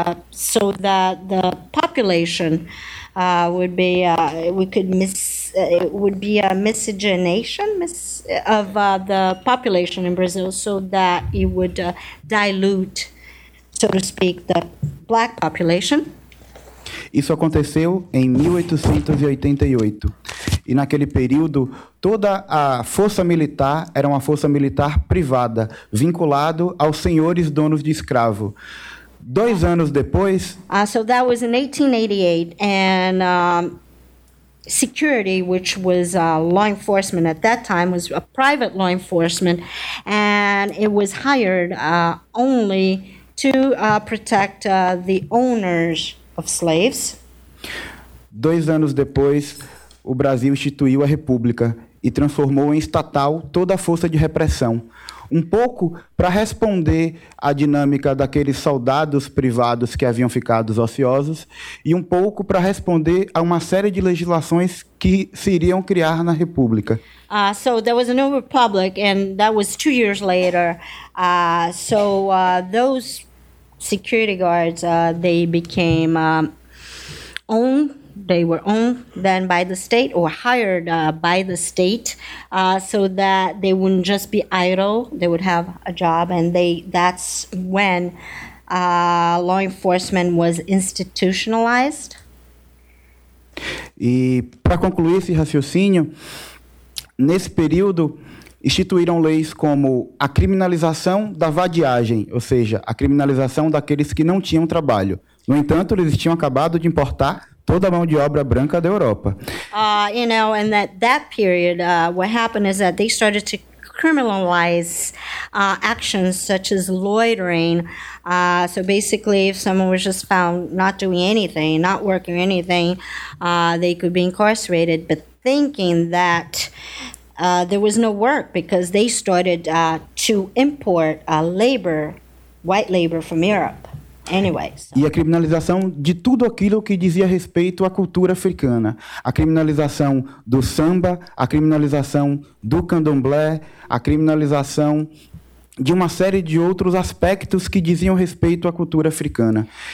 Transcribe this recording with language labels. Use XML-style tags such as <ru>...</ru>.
<en>so that the population would be the population in Brazil, so that it would dilute, so to speak, the black population.</en> <pt>Isso aconteceu em 1888. E naquele período, toda a força militar era uma força militar privada, vinculada aos senhores donos de escravo. Dois anos depois...</pt> <en>So that was in 1888, and security, which was law enforcement at that time, was a private law enforcement, and it was hired only to protect the owners of slaves.</en> <pt>Dois anos depois, o Brasil instituiu a República e transformou em estatal toda a força de repressão. Um pouco para responder à dinâmica daqueles soldados privados que haviam ficado ociosos e um pouco para responder a uma série de legislações que se iriam criar na República.</pt> <en>So there was a new republic, and that was 2 years later. Those security guards, they became owned. They were owned then by the state or hired by the state so that they wouldn't just be idle. They would have a job, and that's when law enforcement was institutionalized.</en> <pt>E para concluir esse raciocínio, nesse período instituíram leis como a criminalização da vadiagem, ou seja, a criminalização daqueles que não tinham trabalho. No entanto, eles tinham acabado de importar toda a mão de obra branca da Europa.</pt> <en>That period, what happened is that they started to criminalize actions such as loitering. So basically, if someone was just found not doing anything, not working anything, they could be incarcerated. But thinking that there was no work because they started to import labor, white labor from Europe.</en> <pt>E a criminalização de tudo aquilo que dizia respeito à cultura africana. A criminalização do samba, a criminalização do candomblé, a criminalização de uma série de outros aspectos que diziam respeito à cultura africana.</pt>